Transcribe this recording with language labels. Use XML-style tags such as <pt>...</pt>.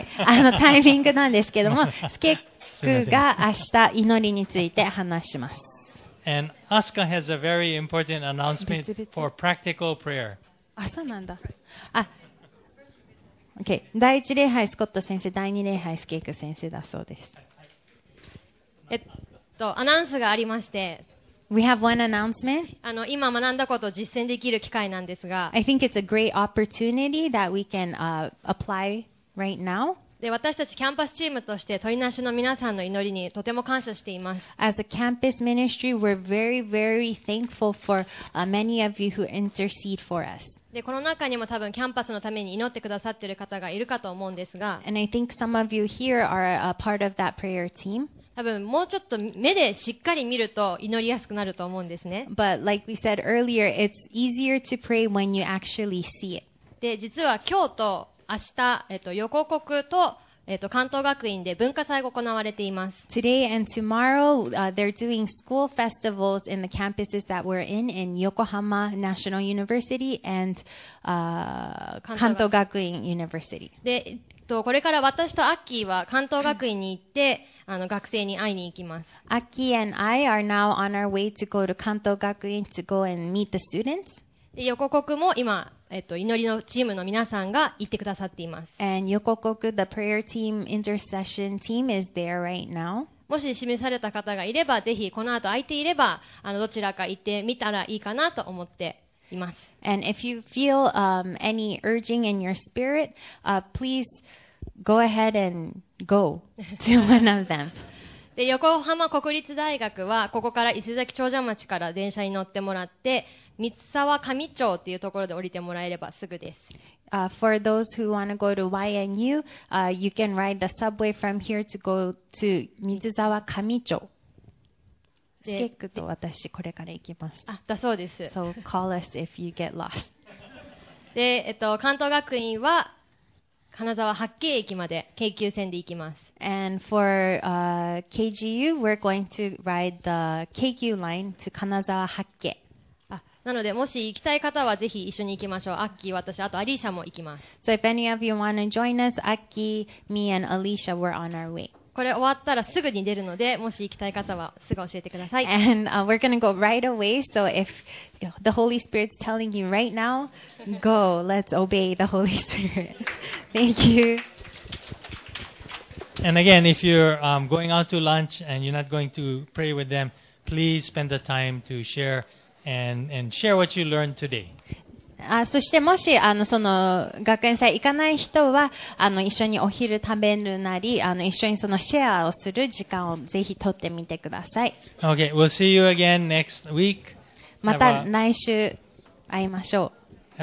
<ja>はい、タイミングなんですけども、Skek が明日祈りについて話します。</ja> <en>And Asuka has a very important announcement for practical prayer.</en> <ja>あ、そうなんだ。あ。</ja> <en>Okay.</en> <ja>第一礼拝スコット先生、第二礼拝スケイク先生だそうです。アナウンスがありまして、</ja> <en>We have one announcement.</en> <ja>今学んだことを実践できる機会なんですが、</ja> <en>I think it's a great opportunity that we can apply right now.</en> <ja>で、私たちキャンパスチームとして鳥なしの皆さんの祈りにとても感謝しています。</ja> <en>As a campus ministry, we're very, very thankful for many of you who intercede for us.</en> <ja>でこの中にも多分キャンパスのために祈ってくださっている方がいるかと思うんですが多分もうちょっと目でしっかり見ると祈りやすくなると思うんですね</ja> <en>But like we said earlier, it's easier to pray when you actually see it.</en> <ja>で実は今日と明日、予告と関東学院で文化祭が行われています。</ja> <en>Today and tomorrow, they're doing school festivals in the campuses that we're in Yokohama National University and, 関東学院 University.</en> <ja>で、これから私とアッキーは関東学院に行って、学生に会いに行きます。</ja> <en>アッキー and I are now on our way to go to 関東学院 to go and meet the students.</en> <ja>で横国も今、祈りのチームの皆さんが行ってくださっています。</ja> <en>And 横国 the prayer team, intercession team is there right now.</en> <ja>もし示された方がいれば、ぜひこの後空いていれば、どちらか行ってみたらいいかなと思っています。</ja> <en>And if you feel, any urging in your spirit, please go ahead and go to one of them.</en> <ja>で横浜国立大学はここから伊勢崎長者町から電車に乗ってもらって三沢上町というところで降りてもらえればすぐです。</ja> <en>For those who want to go to YNU, you can ride the subway from here to go to 三沢上町。</en> <ja>スケックと私これから行きます。あ、だそうです。</ja> <en>So call us if you get lost.</en> <ja>で、関東学院は金沢八景駅まで京急線で行きます。</ja> <en>And for, KGU, we're going to ride the KQ line to 金沢八景。</en> <ja>なので、もし行きたい方はぜひ一緒に行きましょう。アッキー、私、あとアリーシャも行きます。</ja> <en>So if any of you want to join us, アッキー、me and Alicia, we're on our way.</en> <ja>これ終わったらすぐに出るので、もし行きたい方はすぐ教えてください。</ja> <en>And, we're gonna go right away, so if the Holy Spirit's telling you right now, go, let's obey the Holy Spirit. Thank you. And again, if you're, going out to lunch and you're not going to pray with them, please spend the time to share and share what you learned today.</en> <ja>そしてもし、その、学園祭行かない人は、一緒にお昼食べるなり、一緒にそのシェアをする時間をぜひ取ってみてください。</ja> <en>Okay, we'll see you again next week.</en> <ja>また来週会いましょう。</ja>